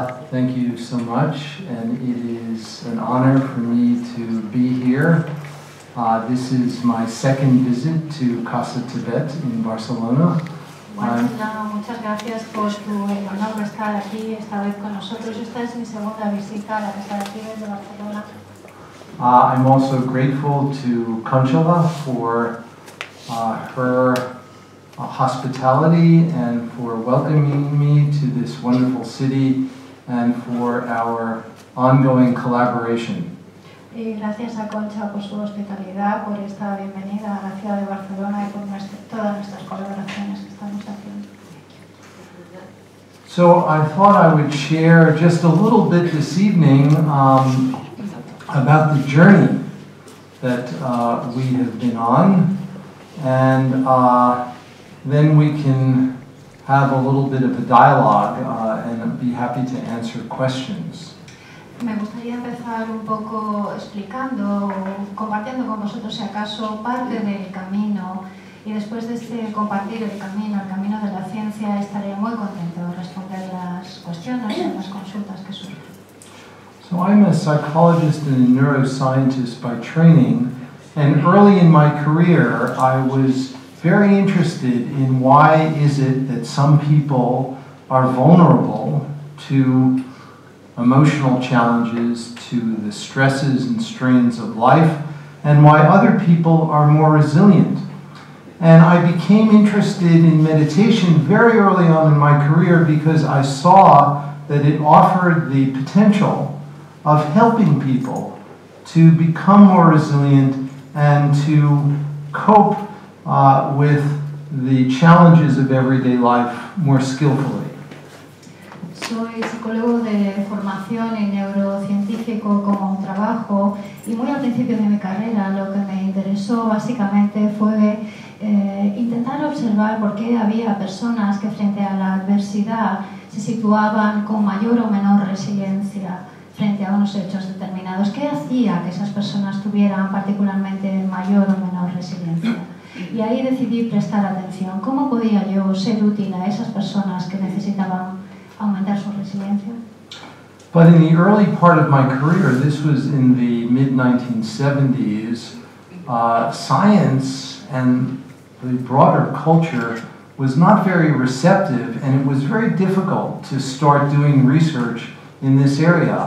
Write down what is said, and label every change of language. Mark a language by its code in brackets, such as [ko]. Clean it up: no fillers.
[en] Thank you so much, and it is an honor for me to be here. This is my second visit to Casa Tibet in Barcelona. [es] Muchas gracias por tu honor estar aquí esta vez con nosotros. Esta es mi segunda visita a Casa Tibet de Barcelona. [en] I'm also grateful to Conchala for her hospitality and for welcoming me to this wonderful city and for our ongoing collaboration. [es] Y gracias a Concha por su hospitalidad, por esta bienvenida a la ciudad de Barcelona y por todas nuestras colaboraciones que estamos haciendo. [en] So I thought I would share just a little bit this evening about the journey that we have been on, and then we can have a little bit of a dialogue and be happy to answer questions. [es] Me gustaría empezar un poco explicando o compartiendo con vosotros si acaso parte del camino y después de este compartir el camino de la ciencia, estaré muy contento de responder las cuestiones y las consultas que surjan. [en] So I'm a psychologist and a neuroscientist by training, and early in my career I was very interested in why is it that some people are vulnerable to emotional challenges, to the stresses and strains of life, and why other people are more resilient. And I became interested in meditation very early on in my career because I saw that it offered the potential of helping people to become more resilient and to cope with the challenges of everyday life more skillfully. [es] Soy psicólogo de formación y neurocientífico como trabajo, y muy al principio de mi carrera lo que me interesó básicamente fue intentar observar por qué había personas que frente a la adversidad se situaban con mayor o menor resiliencia frente a unos hechos determinados. ¿Qué hacía que esas personas tuvieran particularmente mayor o menor resiliencia? Y ahí decidí prestar atención. ¿Cómo podía yo ser útil a esas personas que necesitaban aumentar su resiliencia? [en] But in the early part of my career, this was in the mid-1970s, science and the broader culture was not very receptive, and it was very difficult to start doing research in this area.